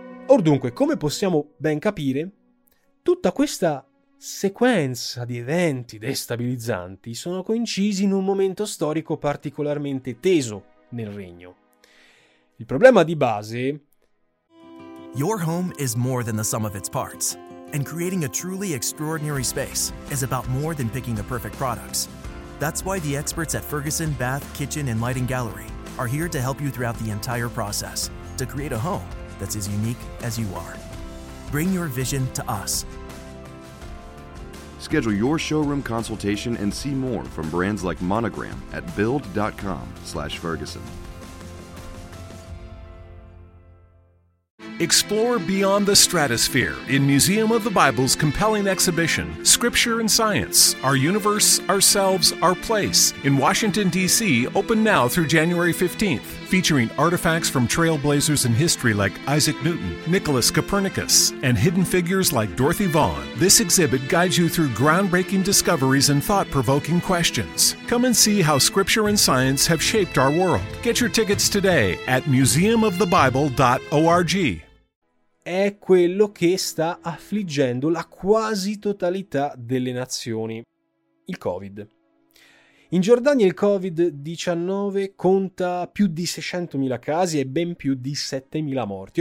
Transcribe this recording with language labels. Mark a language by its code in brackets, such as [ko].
[it] Or dunque, come possiamo ben capire, tutta questa sequenza di eventi destabilizzanti sono coincisi in un momento storico particolarmente teso nel regno. Il problema di base... [en] Your home is more than the sum of its parts, and creating a truly extraordinary space is about more than picking the perfect products. That's why the experts at Ferguson Bath, Kitchen, and Lighting Gallery are here to help you throughout the entire process to create a home that's as unique as you are. Bring your vision to us. Schedule your showroom consultation and see more from brands like Monogram at build.com/Ferguson. Explore beyond the stratosphere in Museum of the Bible's compelling exhibition, Scripture and Science, Our Universe, Ourselves, Our Place, in Washington, D.C., open now through January 15th, featuring artifacts from trailblazers in history like Isaac Newton, Nicholas Copernicus, and hidden figures like Dorothy Vaughan. This exhibit guides you through groundbreaking discoveries and thought-provoking questions. Come and see how Scripture and Science have shaped our world. Get your tickets today at museumofthebible.org. [it] È quello che sta affliggendo la quasi totalità delle nazioni, il Covid. In Giordania il Covid-19 conta più di 600.000 casi e ben più di 7.000 morti.